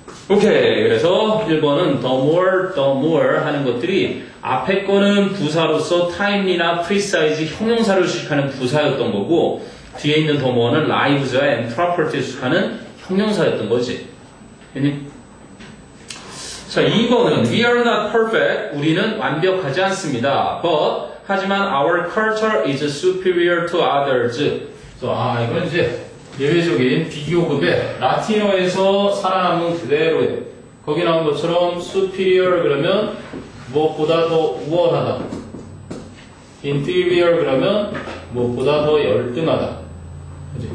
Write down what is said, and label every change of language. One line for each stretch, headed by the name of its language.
Korean: 오케이. 그래서 1번은 the more 하는 것들이 앞에 거는 부사로서 time이나 precise 형용사를 수식하는 부사였던 거고 뒤에 있는 the more는 lives and properties 수식하는 형용사였던 거지. 했니? 자, 2번은
English: we are not perfect.
Korean: 우리는 완벽하지 않습니다.
English: But
Korean: 하지만
English: our culture is superior to others.
Korean: 아, 이건 이제 예외적인 비교급에 라틴어에서 살아남은 그대로예요. 거기 나온 것처럼 superior 그러면 무엇보다 더 우월하다. inferior 그러면 무엇보다 더 열등하다. 그치?